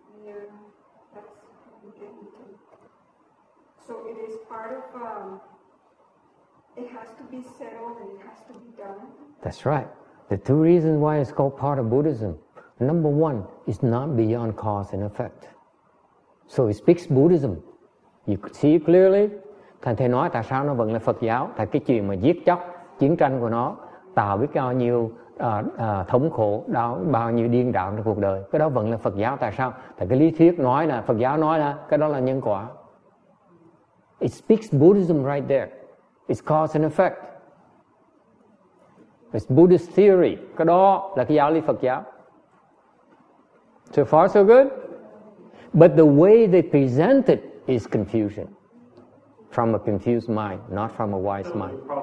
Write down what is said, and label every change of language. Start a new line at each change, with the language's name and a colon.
English: Yeah, that's getting to. So it is part of, it has to be settled and it has to be done. That's right. The two reasons why it's called part of Buddhism. Number one, it's not beyond cause and effect. So it speaks Buddhism. You could see it clearly.
Vietnamese: Thành thầy nói tại sao nó vẫn là Phật giáo? Tại cái chuyện mà giết chóc, chiến tranh của nó tạo biết bao nhiêu thống khổ, đau, bao nhiêu điên đảo trong cuộc đời. Cái đó vẫn là Phật giáo. Tại sao? Tại cái lý thuyết nói là, Phật giáo nói là cái đó là nhân quả.
English: It speaks Buddhism right there. It's cause and effect. It's Buddhist theory.
Vietnamese: Cái đó là cái giáo lý Phật giáo.
English: So far so good? But the way they present it is confusion. From a confused mind, not from a wise mind.